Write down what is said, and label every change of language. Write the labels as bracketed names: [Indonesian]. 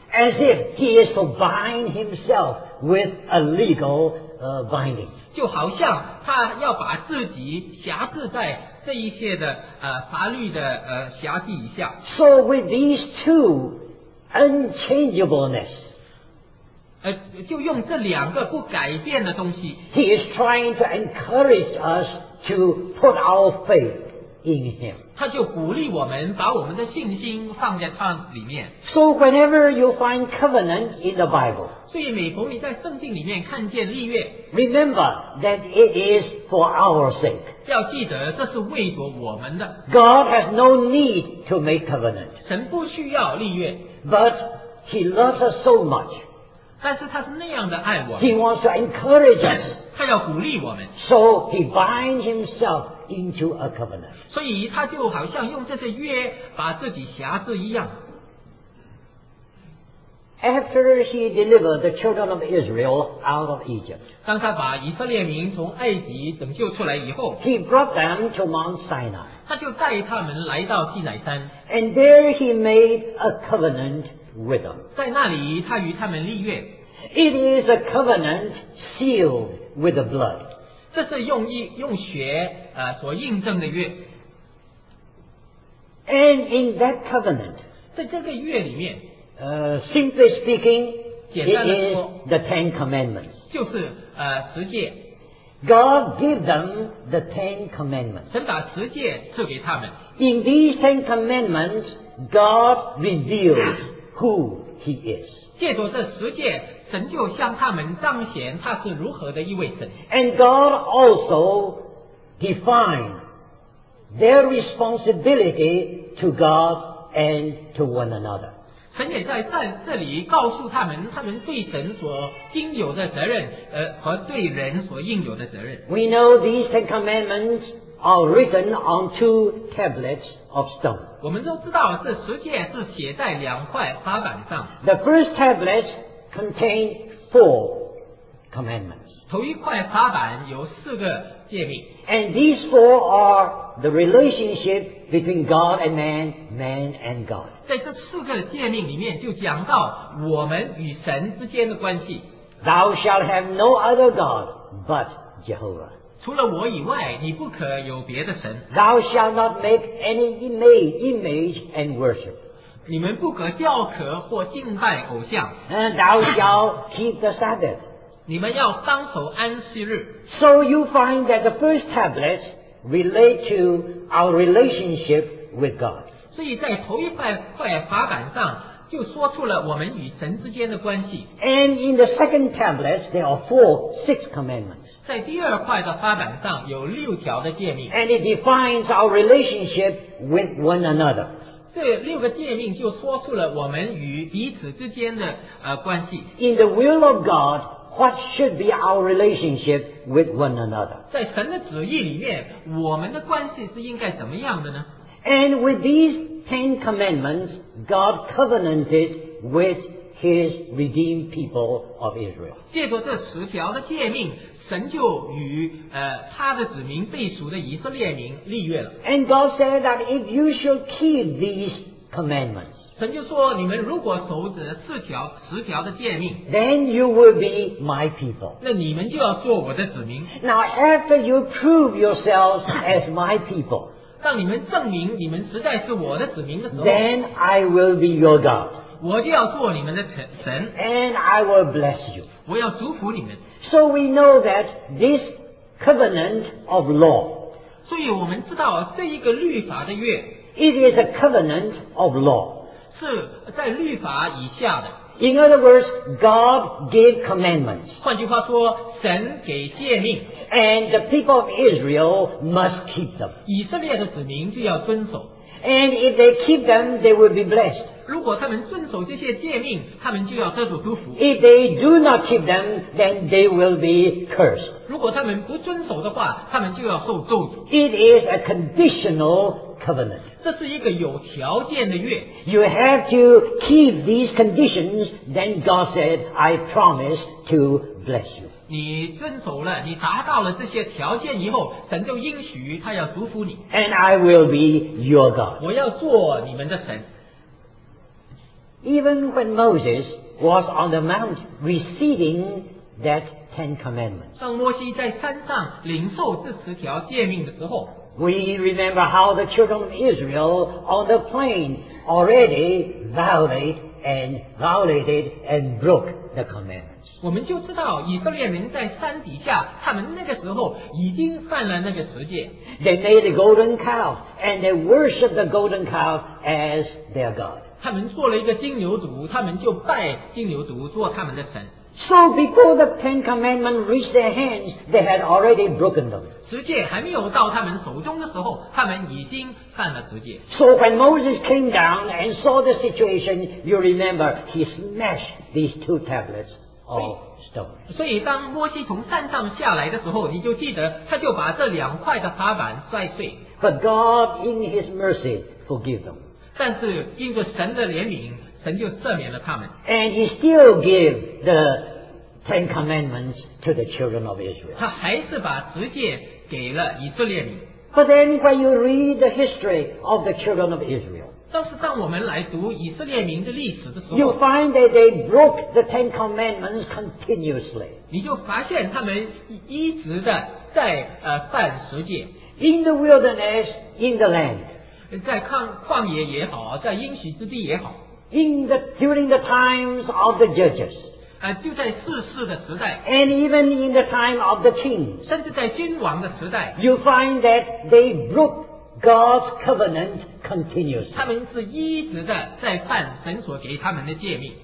[English] As if he is to bind himself with a legal binding. [Chinese] 就好像他要把自己辖制在这一些的法律的辖制以下。 [English] So with these two unchangeableness, [Chinese] 就用这两个不改变的东西。 [English] He is trying to encourage us to put our faith. In him. [Chinese] 他就鼓励我们把我们的信心放在他里面。 [English] So whenever you find covenant in the Bible, [Chinese] 所以每逢你在圣经里面看见立约, [English] remember that it is for our sake. [Chinese] 要记得这是为着我们的。 [English] God has no need to make covenant. [Chinese] 神不需要立约。 [English] But he loves us so much. [Chinese] 但是他是那样的爱我们。 [English] He wants to encourage us. [Chinese] 他要鼓励我们。 [English] So he binds himself. Into a covenant. [Chinese] 所以他就好像用这些约把自己辖制一样。 [English] After he delivered the children of Israel out of Egypt, [Chinese] 当他把以色列民从埃及拯救出来以后 [English] he brought them to Mount Sinai. [Chinese] 他就带他们来到西乃山 [English] and there he made a covenant with them. [Chinese] 在那里他与他们立约 [English] it is a covenant sealed with the blood. [Chinese] 这是用血所印证的约。 [English] And in that covenant, [Chinese] 在这个约里面 [English] simply speaking, [Chinese] 简单的说 [English] it is the Ten Commandments. [Chinese] 就是十诫。 [English] God gave them the Ten Commandments. [Chinese] 神把十诫赐给他们。 [English] In these Ten Commandments, God reveals who he is. [Chinese] 借着这十诫神就向他们彰显他是如何的一位神。 [English] And God also defined their responsibility to God and to one another. [Chinese] 神也在这里告诉他们，他们对神所应有的责任，和对人所应有的责任。 [English] We know these Ten Commandments are written on two tablets. Of stone. [Chinese] 我们都知道这十诫是写在两块花板上。 [English] The first tablet contained four commandments. [Chinese] 头一块撒板有四个诫命。 [English] And these four are the relationship between God and man, man and God. [Chinese] 在这四个诫命里面就讲到我们与神之间的关系。 [English] Thou shalt have no other God but Jehovah. [Chinese] 除了我以外，你不可有别的神。 [English] Thou shalt not make any image and worship. [Chinese] 你们不可雕刻或敬拜偶像。 [English] And thou shalt keep the Sabbath. [Chinese] 你们要当守安息日。 [English] So you find that the first tablets relate to our relationship with God. [Chinese] 所以在头一块块法板上就说出了我们与神之间的关系。 [English] And in the second tablets, there are six commandments. [Chinese] 在第二块的法板上有六条的诫命。 [English] And it defines our relationship with one another. [Chinese] 这六个诫命就说出了我们与彼此之间的关系。 [English] In the will of God, what should be our relationship with one another? [Chinese] 在神的旨意里面，我们的关系是应该怎么样的呢？ [English] And with these ten commandments, God covenanted with His redeemed people of Israel. [Chinese] 借着这十条的诫命，神就与他的子民被赎的以色列民立约了。 [English] And God said that if you shall keep these commandments, [Chinese] 神就说你们如果守着十条的诫命， [English] then you will be my people. [Chinese] 那你们就要做我的子民。 [English] Now after you prove yourselves as my people, [Chinese] 当你们证明你们实在是我的子民的时候， [English] then I will be your God. [Chinese] 我就要做你们的神。 [English] And I will bless you. [Chinese] 我要祝福你们。 [English] So we know that this covenant of law, [Chinese] 所以我们知道这一个律法的约， [English] it is a covenant of law, [Chinese] 是在律法以下的。 [English] In other words, God gave commandments, [Chinese] 换句话说，神给诫命， [English] and the people of Israel must keep them, [Chinese] 以色列的子民就要遵守。 [English] And if they keep them, they will be blessed. [Chinese] 如果他们遵守这些诫命，他们就要得着祝福。 [English] If they do not keep them, then they will be cursed. [Chinese] 如果他们不遵守的话，他们就要受咒诅。 [English] It is a conditional covenant. [Chinese] 这是一个有条件的约。 [English] You have to keep these conditions, then God said, I promise to bless you. [Chinese] 你遵守了，你达到了这些条件以后，神就应许他要祝福你。 [English] And I will be your God. [Chinese] 我要做你们的神。 [English] Even when Moses was on the mount receiving that Ten Commandments, [Chinese] 当摩西在山上领受这十条诫命的时候， [English] we remember how the children of Israel on the plain already violated and broke the commandments. [Chinese] 我们就知道以色列人在山底下，他们那个时候已经犯了那个十诫。 [English] They made a golden calf and they worshipped the golden calf as their God. [Chinese] 他们做了一个金牛犊，他们就拜金牛犊做他们的神。 [English] So before the Ten Commandments reached their hands, they had already broken them. [Chinese] 十诫还没有到他们手中的时候，他们已经犯了十诫。 [English] So when Moses came down and saw the situation, you remember, he smashed these two tablets of stone. [Chinese] 所以当摩西从山上下来的时候，你就记得他就把这两块的法板摔碎。 [English] But God in His mercy forgave them. [Chinese] 但是因着神的怜悯，神就赦免了他们。 [English] And he still gave the Ten Commandments to the children of Israel. [Chinese] 他还是把十诫给了以色列民。 [English] But then when you read the history of the children of Israel, [Chinese] 但是当我们来读以色列民的历史的时候， [English] you find that they broke the Ten Commandments continuously. [Chinese] 你就发现他们一直的在犯十诫。 [English] In the wilderness, in the land. [Chinese] 在旷野也好，在应许之地也好， [English] during the times of the judges, [Chinese] 就在世世的时代， [English] and even in the time of the king, [Chinese] 甚至在君王的时代， [English] you find that they broke God's covenant continuously. [Chinese] 他们是一直的在犯神所给他们的诫命。